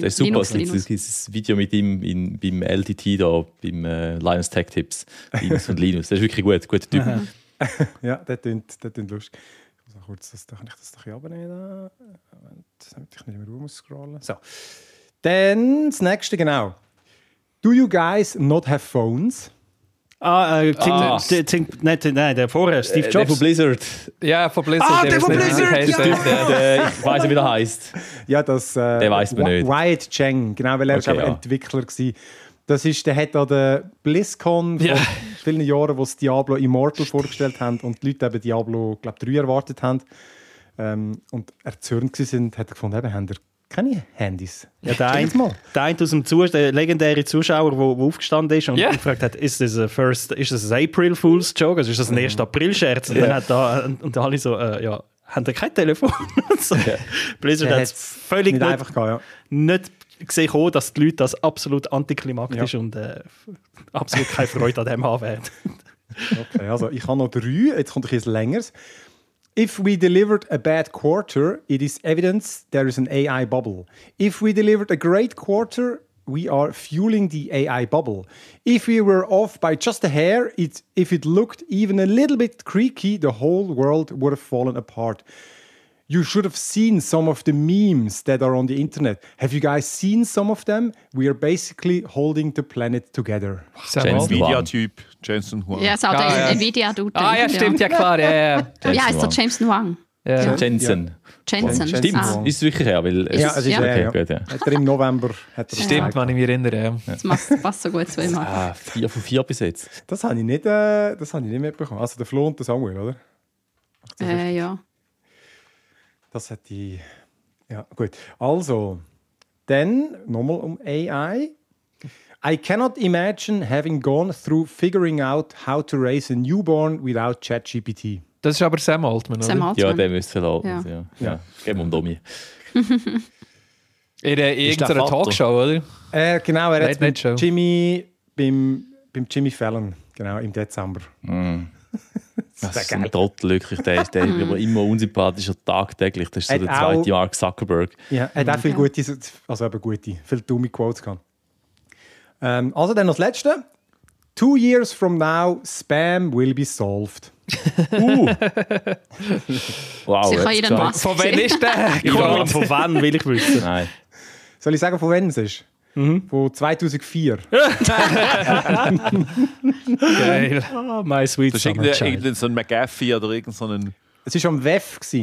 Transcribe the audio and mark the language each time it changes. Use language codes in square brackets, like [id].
[de] Super, Linus. Das Video mit ihm beim LTT, da, beim Linus Tech Tips. Linus und Linus. Der ist wirklich gut, guter Typ. Ja, der klingt lustig. So kurz, kann ich das doch hier abnehmen? Damit ich nicht mehr rum scrollen. So. Dann das nächste, genau. [en] Do you guys not have phones? [de] Der vorher, Steve Jobs. Der von Blizzard. Ja, von Blizzard. Ah, der von Blizzard! Ich weiß nicht, wie der heißt. Ja, das. Der weiß man nicht. Wyatt Cheng, genau, weil er war Entwickler. Der hat an der BlizzCon vor vielen Jahren, wo sie Diablo Immortal vorgestellt haben und die Leute eben Diablo, glaub, 3 erwartet haben und erzürnt waren, hat er gefunden, eben, haben keine Handys. Ja, der legendäre Zuschauer, der aufgestanden ist und gefragt hat, ist das ein [en] April Fool's Joke? [de] Also ist das ein 1. April-Scherz? Und dann hat da, und alle so, ja, haben da kein Telefon? So. Blizzard hat es völlig nicht einfach gehabt, ja. Nicht gesehen auch, dass die Leute das absolut antiklimaktisch und absolut keine Freude an dem haben werden. Okay, also ich habe noch 3, jetzt kommt etwas Längeres. [en] If we delivered a bad quarter, it is evidence there is an AI bubble. If we delivered a great quarter, we are fueling the AI bubble. If we were off by just a hair, if it looked even a little bit creaky, the whole world would have fallen apart. You should have seen some of the memes that are on the internet. Have you guys seen some of them? We are basically holding the planet together. [de] Nvidia-Typ, Jensen Huang. Ja, ist auch der Nvidia-Dude. Ah ja, stimmt, ja klar. Ja, ist der Jensen Huang. Jensen. Jensen. Stimmt, ist wirklich her, weil es ist okay. Hat er im November. Stimmt, wenn ich mich erinnere. Das passt so gut zu ihm. 4 von 4 bis jetzt. Das habe ich nicht mitbekommen. Also der Flo und der Samuel, oder? Ja. Das hat die. Ja, gut. Also, dann nochmal um AI. [en] I cannot imagine having gone through figuring out how to raise a newborn without ChatGPT. [de] Das ist aber Sam Altman, oder? Sam Altman. Ja, der müsste Altman sein. Ja, geht um Domi. In irgendeiner Talkshow, oder? Genau, er hat mit Jimmy, beim Jimmy Fallon, genau, im Dezember. Mm. Das ist ein Trottel, wirklich. Der ist aber immer unsympathischer tagtäglich. Das ist so der zweite Mark Zuckerberg. Ja, hat auch viele gute, also eben gute, viele dumme Quotes gehabt. Also dann das Letzte. [en] 2 years from now, Spam will be solved. Wow. [de] Sicher jeden Mask. Von wann ist der? Von wann will ich wissen? Nein. Soll ich sagen, von wann es ist? Von 2004. Geil. [en] Oh, my sweet son. [de] Das ist irgendein so ein McAfee oder irgend so ein... Es war am WEF.